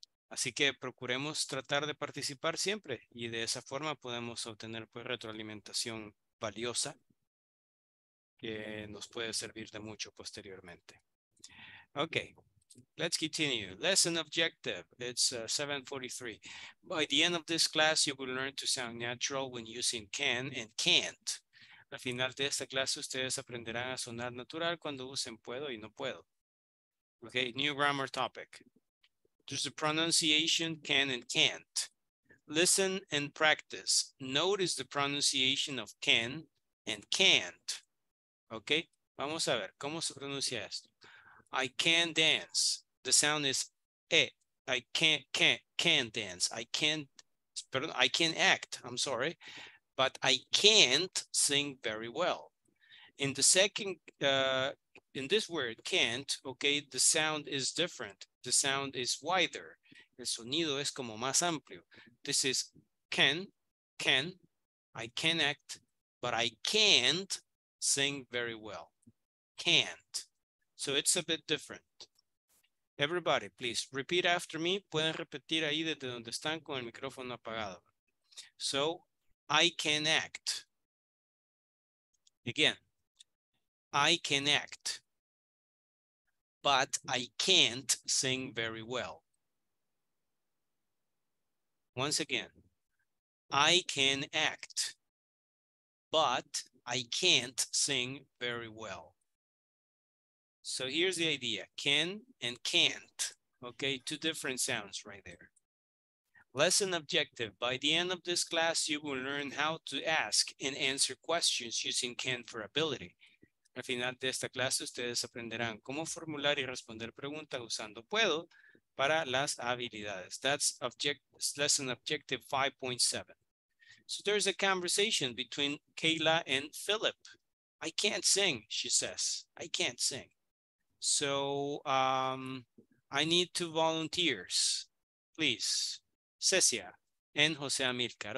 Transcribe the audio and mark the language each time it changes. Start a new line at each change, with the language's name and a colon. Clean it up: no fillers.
Spanish: Así que procuremos tratar de participar siempre. Y de esa forma podemos obtener pues retroalimentación valiosa. Que nos puede servir de mucho posteriormente. Ok.
English: Let's continue. Lesson objective. It's 7:43. By the end of this class, you will learn to sound natural when using can and can't.
Spanish: Al final de esta clase, ustedes aprenderán a sonar natural cuando usen puedo y no puedo.
English: Okay, new grammar topic. There's the pronunciation can and can't. Listen and practice. Notice the pronunciation of can and can't.
Spanish: Okay, vamos a ver cómo se pronuncia esto.
English: I can dance. The sound is eh. I can't dance. I can't, pardon, I can't act. I'm sorry. But I can't sing very well. In the second, in this word, can't, okay, the sound is different. The sound is wider.
Spanish: El sonido es como más amplio.
English: This is can, I can act, but I can't sing very well. Can't. So it's a bit different. Everybody, please, repeat after me.
Spanish: Pueden repetir ahí desde donde están con el micrófono apagado.
English: So, I can act. Again, I can act, but I can't sing very well. Once again, I can act, but I can't sing very well. So here's the idea, can and can't. Okay, two different sounds right there. Lesson objective, by the end of this class, you will learn how to ask and answer questions using can for ability.
Spanish: Al final de esta clase, ustedes aprenderán cómo formular y responder preguntas usando puedo para las habilidades.
English: That's lesson objective 5.7. So there's a conversation between Kayla and Philip. I can't sing, she says. I can't sing. So I need two volunteers, please. Cecia and Jose Amilcar.